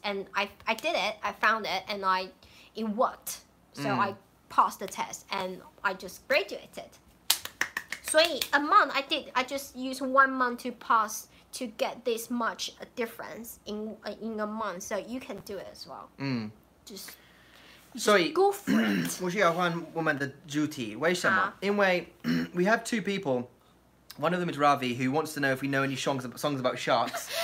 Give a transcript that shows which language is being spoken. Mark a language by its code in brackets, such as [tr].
[en] And I did it. I found it, and it worked. So I passed the test, and I just graduated. So a month I just used 1 month to pass. To get this much difference in a month, so you can do it as well. Mm. Just go for it. [zh] 我需要换我们的主题, 为什么? 因为 [en] we have two people. One of them is Ravi, who wants to know if we know any songs about sharks.